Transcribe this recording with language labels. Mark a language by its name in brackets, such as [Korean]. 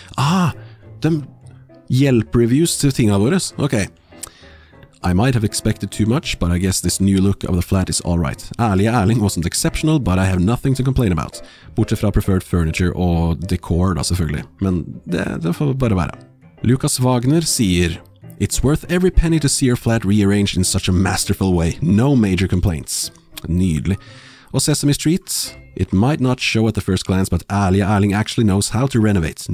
[Norwegian] Ah, de hjelp-reviews til tingene våre. Ok. [English] I might have expected too much, but I guess this new look of the flat is all right. Ærlige Erling wasn't exceptional, but I have nothing to complain about. [Norwegian] Bortsett fra [English] preferred furniture [Norwegian] og decor da, selvfølgelig. Men det får bare være. [English] Lukas Wagner [Norwegian] sier, [English] It's worth every penny to see your flat rearranged in such a masterful way. No major complaints. [Norwegian] Nydelig. Og [English] Sesame Street? It might not show at the first glance, but ærlige Erling actually knows how to renovate.